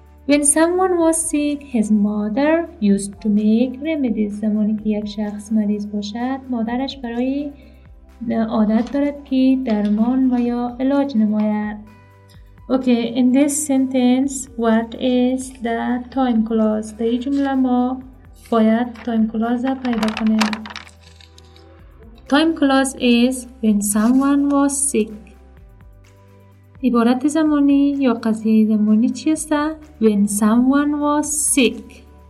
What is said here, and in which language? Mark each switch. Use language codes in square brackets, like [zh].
[en] When someone was sick, his mother used to make remedies. [fa] زمانی که یک شخص مریض باشد، مادرش برای عادت دارد که درمان و یا علاج نماید. [en] Okay, in this sentence, what is the time clause? [fa] در این جمله ما باید time clause را پیدا کنیم. [en] Time clause is when someone was sick. [fa] عبارت زمانی یا قضیه زمانی چیست؟ [en] When someone was sick.